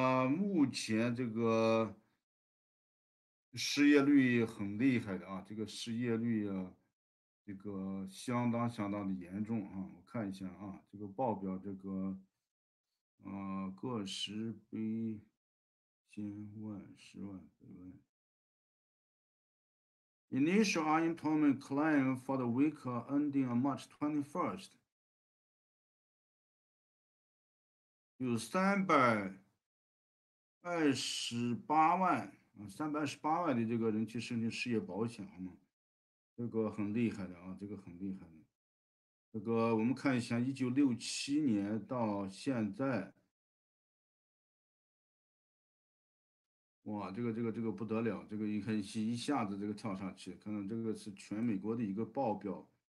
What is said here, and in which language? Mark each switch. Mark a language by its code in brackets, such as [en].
[zh] 目前这个失业率很厉害的啊，这个失业率啊，这个相当的严重啊。我看一下啊，这个报表这个，个十杯，千万十万百万。 [en] Initial unemployment claim for the week ending on March 21st。 [zh] 有328万的这个人去申请失业保险，好吗？这个很厉害的啊，这个很厉害的。这个我们看一下，1967年到现在，哇，这个不得了，这个一下子这个跳上去，看看这个是全美国的一个报表。